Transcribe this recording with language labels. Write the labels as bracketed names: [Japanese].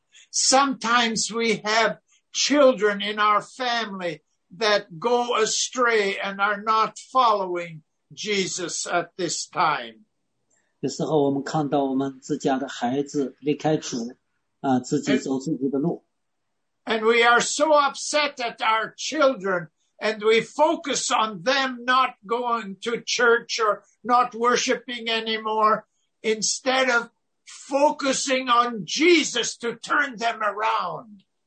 [English] Sometimes we have children in our family that go astray and are not following Jesus at this time. [Chinese] 有时候我们看到我们自家的孩子离开主，自己走自己的路。 [English] And we are so upset at our children, and we focus on them not going to church or not worshiping anymore instead of focusing on Jesus to turn them around.